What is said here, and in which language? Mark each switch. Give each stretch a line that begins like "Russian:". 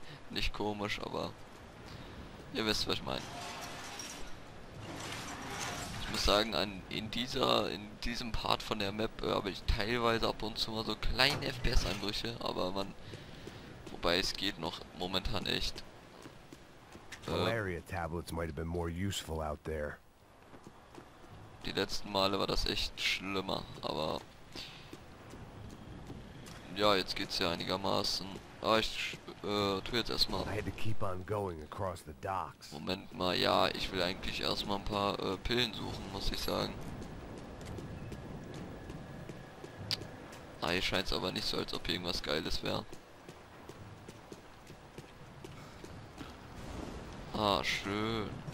German: Nicht komisch, aber ihr wisst, was ich meine. Ich muss sagen, in diesem Part von der Map habe ich teilweise ab und zu mal so kleine FPS-Einbrüche, aber man. Wobei es geht noch momentan echt.
English: Malaria tablets might have been more useful out there.
German: Die letzten Male war das echt schlimmer, aber. Ja, jetzt geht's ja einigermaßen. Ah, ich tue jetzt erstmal.
English: I had to keep on going across the docks.
German: Moment mal, ja, ich will eigentlich erstmal ein paar Pillen suchen, muss ich sagen. Ah, hier scheint es aber nicht so, als ob hier irgendwas Geiles wäre. Ah, schön.